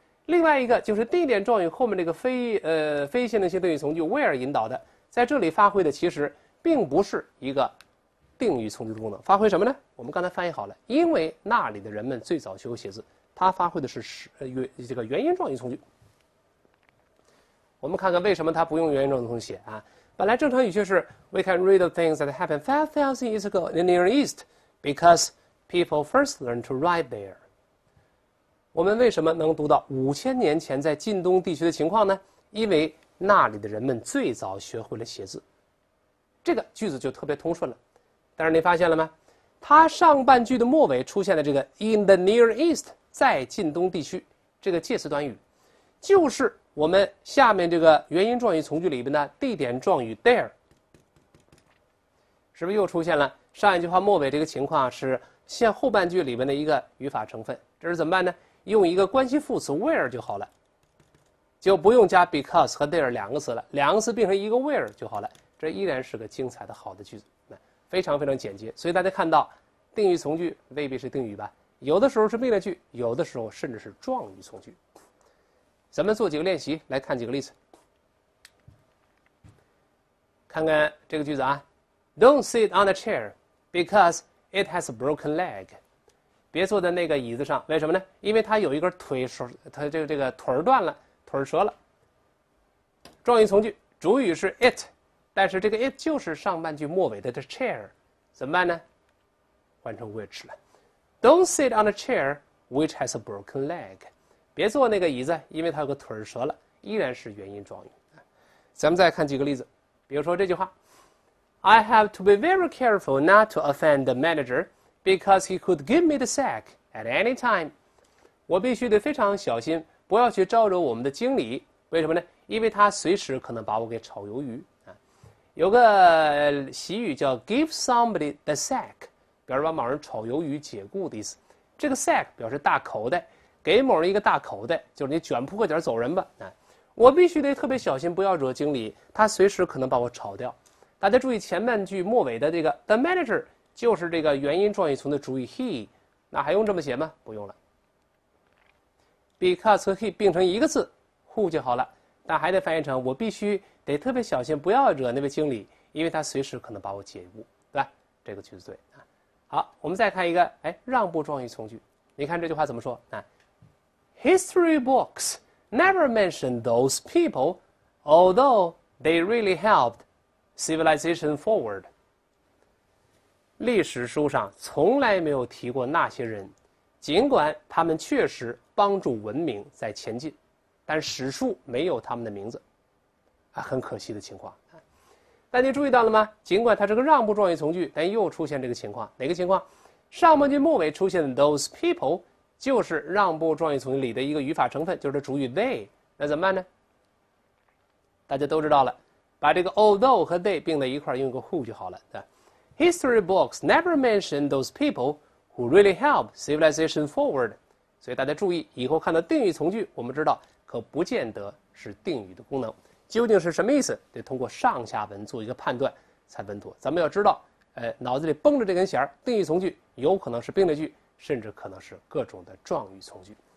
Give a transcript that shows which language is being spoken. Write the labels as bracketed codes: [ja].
[zh] 另外一个就是地点状语后面这个非限定性定语从句 where 引导的，在这里发挥的其实并不是一个定语从句的功能，发挥什么呢？我们刚才翻译好了，因为那里的人们最早学会写字，它发挥的是这个原因状语从句。我们看看为什么他不用原因状语从句写啊？本来正常语序是 [en] We can read of things that happened 5,000 years ago in the Near East because people first learned to write there. [zh] 我们为什么能读到5000年前在近东地区的情况呢？因为那里的人们最早学会了写字。这个句子就特别通顺了。但是你发现了吗？它上半句的末尾出现了这个 [en] in the Near East， [zh] 在近东地区，这个介词短语就是我们下面这个原因状语从句里边的地点状语 there， 是不是又出现了上一句话末尾这个情况，是现后半句里边的一个语法成分。这是怎么办呢？用一个关系副词 where 就好了，就不用加 because 和 there 两个词了，两个词变成一个 where 就好了。这依然是个精彩的好的句子，非常非常简洁。所以大家看到定语从句未必是定语吧，有的时候是命令句，有的时候甚至是状语从句。咱们做几个练习，来看几个例子，看看这个句子啊。 [en] Don't sit on the chair because it has a broken leg. [zh] 别坐在那个椅子上，为什么呢？因为它有一根腿，它这个腿断了，腿折了。状语从句，主语是 it， 但是这个 it 就是上半句末尾的 the chair， 怎么办呢？换成 which 了。 [en] Don't sit on the chair which has a broken leg. [zh] 别坐那个椅子，因为它有个腿折了，依然是原因状语。咱们再看几个例子，比如说这句话 [en] ：I have to be very careful not to offend the manager because he could give me the sack at any time。 [zh] 我必须得非常小心，不要去招惹我们的经理。为什么呢？因为他随时可能把我给炒鱿鱼啊。有个习语叫 [en] give somebody the sack， [zh] 表示把某人炒鱿鱼、解雇的意思。这个 sack 表示大口袋。给某人一个大口袋，就是你卷铺盖卷走人吧。我必须得特别小心，不要惹经理，他随时可能把我炒掉。大家注意前半句末尾的这个 [en] the manager， [zh] 就是这个元音状语从的主语 he， 那还用这么写吗？不用了。Because 和 he 并成一个字 ，who 就好了。但还得翻译成我必须得特别小心，不要惹那位经理，因为他随时可能把我解雇，对吧？这个句子对啊。好，我们再看一个，哎，让步状语从句。你看这句话怎么说啊 [en] ？History books never mention those people, although they really helped civilization forward。 [zh] 历史书上从来没有提过那些人，尽管他们确实帮助文明在前进，但史书没有他们的名字，啊，很可惜的情况。但你注意到了吗？尽管它是个让步状语从句，但又出现这个情况，哪个情况？上半句末尾出现的 [en] those people [zh] 就是让步状语从句里的一个语法成分，就是主语 they。那怎么办呢？大家都知道了，把这个 although 和 they 并在一块儿，用一个 who 就好了，对吧？ [en] History books never mention those people who really helped civilization forward。 [zh] 所以大家注意，以后看到定语从句，我们知道可不见得是定语的功能，究竟是什么意思？得通过上下文做一个判断才稳妥。咱们要知道，脑子里绷着这根弦儿，定语从句有可能是并列句，甚至可能是各种的状语从句。